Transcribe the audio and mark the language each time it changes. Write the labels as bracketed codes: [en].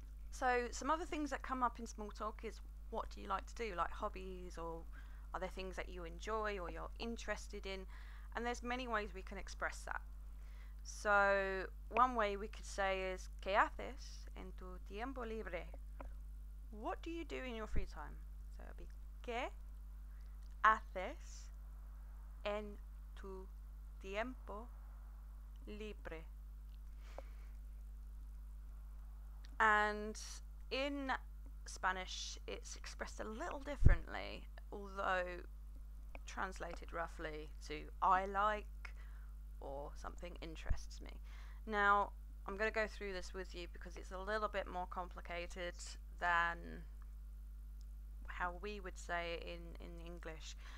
[en] So some other things that come up in small talk is, what do you like to do, like hobbies, or are there things that you enjoy or you're interested in? And there's many ways we can express that. So one way we could say is, [es] ¿qué haces en tu tiempo libre? [en] What do you do in your free time? So it'd be, [es] ¿qué haces en tu tiempo libre? [en] And in Spanish, it's expressed a little differently, although translated roughly to I like, or something interests me. Now, I'm going to go through this with you because it's a little bit more complicated than how we would say it in English.